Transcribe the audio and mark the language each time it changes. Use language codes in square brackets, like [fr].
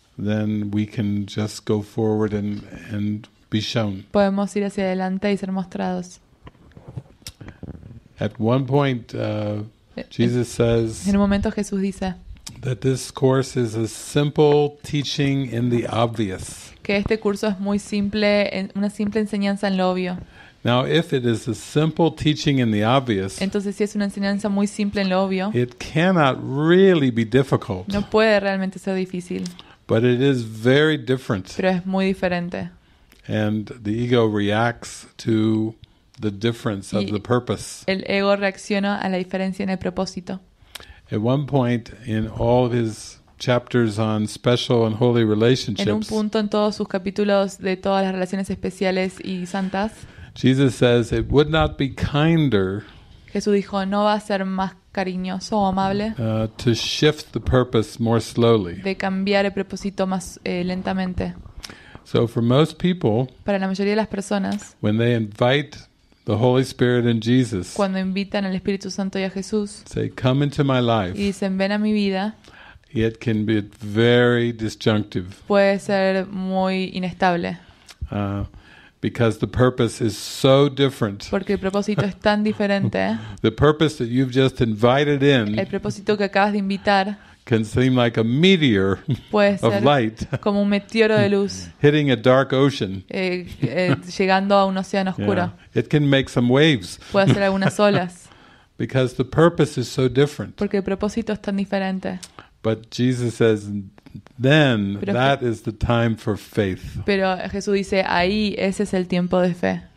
[en] then we can just go forward and be shown. [es] Podemos ir hacia adelante y ser mostrados. [en] At one point, Jesus says. [es] En un momento Jesús dice. [en] That this course is a simple teaching in the obvious. [es] Que este curso es muy simple, una simple enseñanza en lo obvio. [en] Now, if it is a simple teaching in the obvious, [es] entonces, si es una enseñanza muy simple en lo obvio, [en] it cannot really be difficult. [es] No puede realmente ser difícil. [en] But it is very different. [es] Pero es muy diferente. [en] And the ego reacts to the difference of the purpose. [es] El ego reacciona a la diferencia en el propósito. [en] At one point in all his chapters on special and holy relationships. [es] En un punto en todos sus capítulos de todas las relaciones especiales y santas. [en] Jesus says it would not be kinder. [es] Jesús dijo, no va a ser más cariñoso o amable [en] to shift the purpose more slowly. [es] De cambiar el propósito más lentamente. [en] So for most people, [es] para la mayoría de las personas, [en] when they invite the Holy Spirit and Jesus, [es] cuando invitan al Espíritu Santo y a Jesús, [en] say, come into my life, [es] y dicen, ven a mi vida, [en] it can be very disjunctive. [es] Puede ser muy inestable. [en] Because the purpose is so different. [es] Porque el propósito es tan diferente. [en] The purpose that you've just invited in. [es] El propósito que acabas de invitar. [en] can seem like a meteor of light [es] como un meteoro de luz, [en] hitting a dark ocean. [es] Llegando a un océano oscuro. [en] Yeah. It can make some waves. [es] Puede hacer algunas olas. [en] Because the purpose is so different. [es] Porque el propósito es tan diferente. [en] But Jesus says, then that is the time for faith. [es] Pero Jesús dice, ahí ese es el tiempo de fe.